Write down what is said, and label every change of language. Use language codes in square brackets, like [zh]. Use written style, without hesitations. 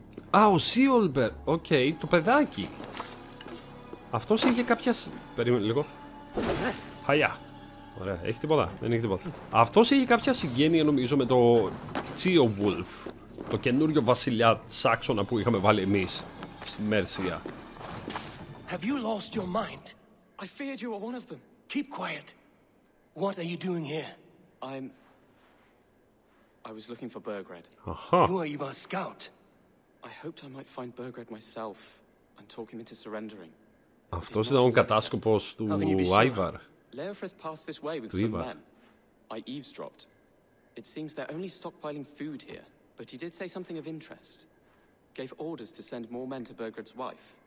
[el] Α, ο Σίολμπερτ. Οκ, το παιδάκι. Αυτό είχε κάποια. Περίμενε λίγο. Χαλιά. Ωραία. Έχει τίποτα. Δεν έχει τίποτα. Αυτό είχε κάποια συγγένεια νομίζω με το Τσίοβουλφ. Το καινούριο βασιλιά Σάξονα που είχαμε βάλει εμεί στη Μέρσια. [en] Have you lost your mind? I feared you were one of them. Keep quiet. What are you doing here? I was looking for Burgred. Who are you, our scout? I hoped I might find Burgred myself and talk him into surrendering. [el] Αυτός ήταν ο κατάσκοπος του Άιβαρ. [en] Leofrith passed this way with some men. I eavesdropped. It seems they're only stockpiling food here, but he did say something of interest. Gave orders to send more men to Burgred's wife.